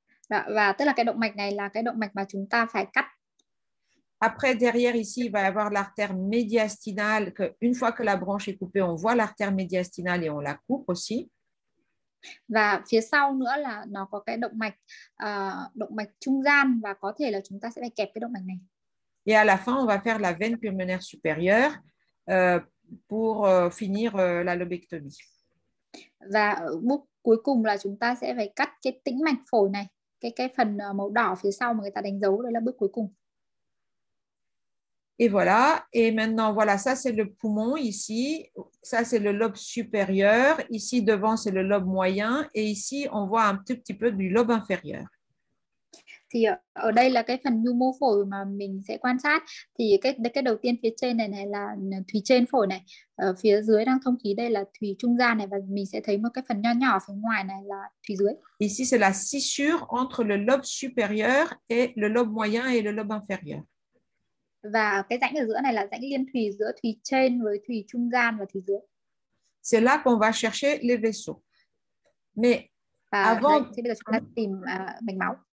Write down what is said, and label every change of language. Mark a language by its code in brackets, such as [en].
[vi] Đó, và tức là cái động mạch này là cái động mạch mà chúng ta phải cắt. [fr] Après, derrière ici, il va y avoir l'artère médiastinale. Une fois que la branche est coupée, on voit l'artère médiastinale et on la coupe aussi. [vi] Và phía sau nữa là nó có cái động mạch trung gian, và có thể là chúng ta sẽ phải kẹp cái động mạch này. [fr] Et à la fin, on va faire la veine pulmonaire supérieure pour finir la lobectomie. [vi] Và bước cuối cùng là chúng ta sẽ phải cắt cái tĩnh mạch phổi này, cái phần màu đỏ phía sau mà người ta đánh dấu, đấy là bước cuối cùng. [fr] Et voilà, et maintenant, voilà, ça c'est le poumon ici, ça c'est le lobe supérieur, ici devant c'est le lobe moyen, et ici on voit un tout petit peu du lobe inférieur. [vi] Thì ở đây là cái phần nhu mô phổi mà mình sẽ quan sát, thì cái đầu tiên phía trên này là thùy trên phổi này, ở phía dưới đang thông khí đây là thùy trung gian này, và mình sẽ thấy một cái phần nhỏ nhỏ phía ngoài này là thùy dưới. [fr] Ici c'est la scissure entre le lobe supérieur et le lobe moyen et le lobe inférieur. [vi] Và cái rãnh ở giữa này là rãnh liên thùy giữa thùy trên với thùy trung gian và thùy dưới. [fr] C'est là qu'on va chercher les vaisseaux. Mais [vi] và [fr] avant [vi] đây, thì bây giờ chúng ta tìm mạch máu.